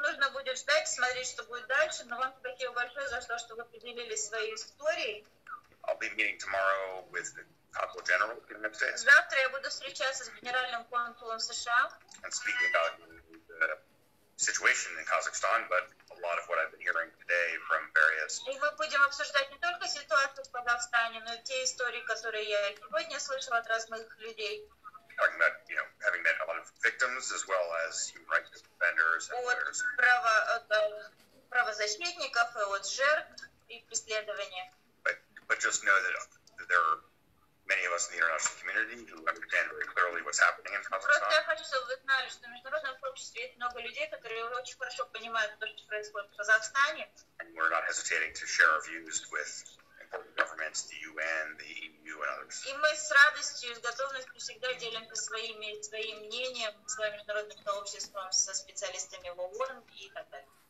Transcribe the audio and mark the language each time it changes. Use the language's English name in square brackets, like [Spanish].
[Russian] нужно будет ждать, смотреть, что будет дальше. Но вам спасибо большое за то, что вы поделились своей историей. [English] I'll be meeting tomorrow with the consul general in the United States. [Russian] Завтра я буду встречаться с генеральным консулом США. [English] And speaking about the situation in Kazakhstan, but a lot of what I've been hearing today from various. [Russian] И мы будем обсуждать не только ситуацию в Казахстане, но и те истории, которые я сегодня слышал от разных людей. [English] Talking about, you know, having met a lot of victims as well as human rights defenders and others. [Russian] Правозащитников и от жертв и преследования. [English] But just know that there are many of us in the international community who understand very clearly what's happening in Kazakhstan. [Russian] Просто я хочу, чтобы вы знали, что в международном сообществе есть много людей, которые очень хорошо понимают то, что происходит в Казахстане. [English] And we're not hesitating to share our views with important governments, the UN, the EU, and others. [Russian] И мы с радостью, с готовностью всегда делимся своим мнением с международным сообществом, со специалистами в ООН и так далее.